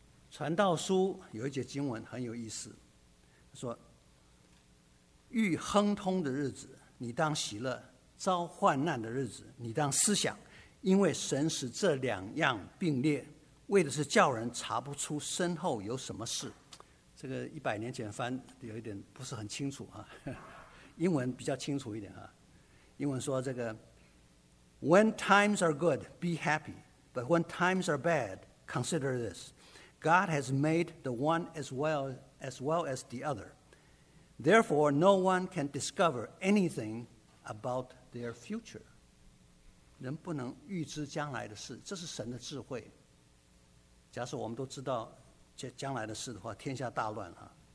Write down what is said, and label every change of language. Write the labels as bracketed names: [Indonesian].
[Chinese] 传道书有一节经文很有意思，说遇亨通的日子你当喜乐，遭患难的日子你当思想，因为神使这两样并列，为的是叫人查不出身后有什么事。这个一百年前翻有一点不是很清楚啊，英文比较清楚一点啊。英文说，这个 [English] When times are good, be happy, but when times are bad, consider this: God has made the one as well as the other. Therefore, no one can discover anything about their future. [Chinese] 人不能预知将来的事，这是神的智慧。假设我们都知道将来的事的话，天下大乱啊！